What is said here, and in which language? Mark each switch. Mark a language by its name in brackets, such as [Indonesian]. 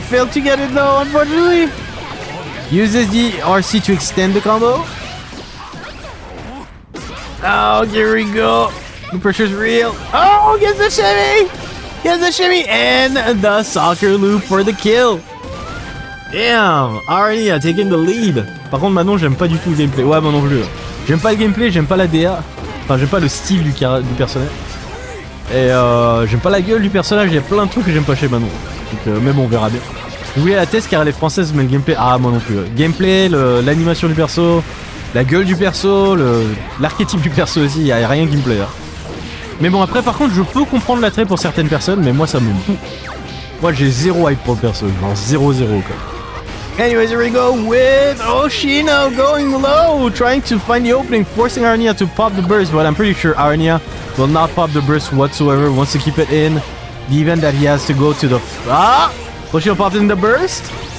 [English] Failed to get it though, unfortunately. Uses the RC to extend the combo. Oh, here we go. The pressure's real. Oh, gets the shimmy. Gets the shimmy and the soccer loop for the kill. Damn, Aranea taking the lead. [French] Par contre, maintenant, j'aime pas du tout le gameplay. Ouais, moi non plus. J'aime pas le gameplay, j'aime pas la DA. Enfin, j'aime pas le style du personnage. Et j'aime pas la gueule du personnage, il y a plein de trucs que j'aime pas chez Manon. Donc, mais bon, on verra bien. Oui, la thèse car elle est française, mais le gameplay. Ah, moi non plus. Gameplay, l'animation du perso, la gueule du perso, l'archétype du perso aussi, il n'y a rien gameplay. Hein. Mais bon, après, par contre, je peux comprendre l'attrait pour certaines personnes, mais moi ça me. Moi j'ai zéro hype pour le perso, genre 0-0 quoi. [English] Anyways, here we go with Oshino going low, trying to find the opening, forcing Aranea to pop the burst, but I'm pretty sure Aranea will not pop the burst whatsoever, wants to keep it in, given that he has to go to the... Oshino popped in the burst.